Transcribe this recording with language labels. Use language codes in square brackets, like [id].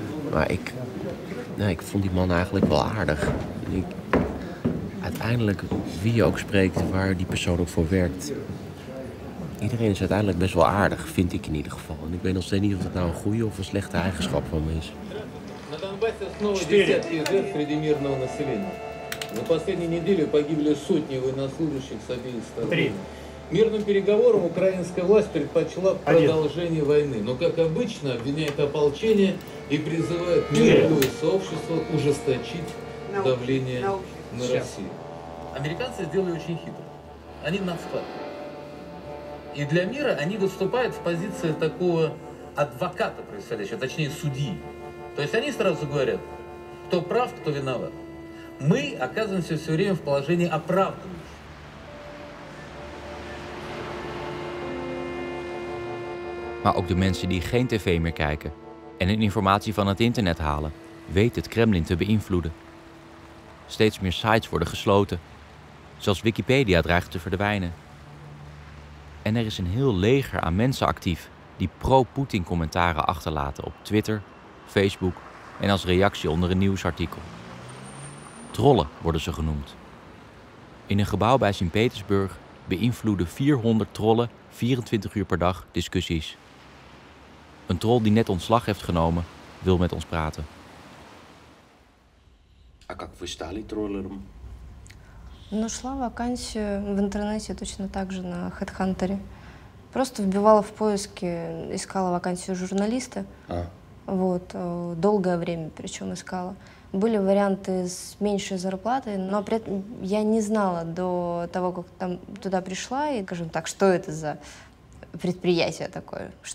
[nl] Maar ik vond die man eigenlijk wel aardig. Uiteindelijk, wie je ook spreekt, waar die persoon ook voor werkt. Iedereen is uiteindelijk best wel aardig, vind ik in ieder geval. En ik weet nog steeds niet of dat nou een goede of een slechte eigenschap van me is. [ru] На Донбассе снова десятки жертв среди мирного населения. За последнюю неделю погибли сотни военнослужащих с обеих сторон. Мирным переговорам украинская власть предпочла продолжение войны, но, как обычно, обвиняет ополчение и призывает мировое сообщество ужесточить давление на Россию. Американцы сделали очень хитро. Они нацпарт. И для мира они выступают в позиции такого адвоката происходящего, точнее судьи. То есть они сразу говорят, кто прав, кто виноват. Мы оказываемся все время в положении оправданных. [nl] Maar ook de mensen die geen tv meer kijken en hun informatie van het internet halen, weten het Kremlin te beïnvloeden. Steeds meer sites worden gesloten. Zelfs Wikipedia dreigt te verdwijnen. En er is een heel leger aan mensen actief die pro-Poetin commentaren achterlaten op Twitter, Facebook en als reactie onder een nieuwsartikel. Trollen worden ze genoemd. In een gebouw bij Sint-Petersburg beïnvloeden 400 trollen 24 uur per dag discussies. Een troll die net ontslag heeft genomen, wil met ons praten. [ru] А как вы стали троллером? Нашла вакансию в интернете точно так же на HeadHunter. Просто вбивала в поиске, искала вакансию журналиста. А. Вот, долгое время причем искала. Были варианты с меньшей зарплатой, но при этом я не знала до того, как там туда пришла, и, скажем так, что это за предприятие такое.